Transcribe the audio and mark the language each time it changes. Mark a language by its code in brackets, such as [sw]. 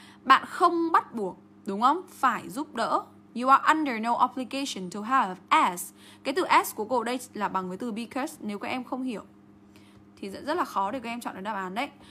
[vi] Bạn không bắt buộc, đúng không? Phải giúp đỡ. [en] You are under no obligation to have as. [vi] Cái từ as của cô đây là bằng với từ because. Nếu các em không hiểu thì rất là khó để các em chọn được đáp án đấy.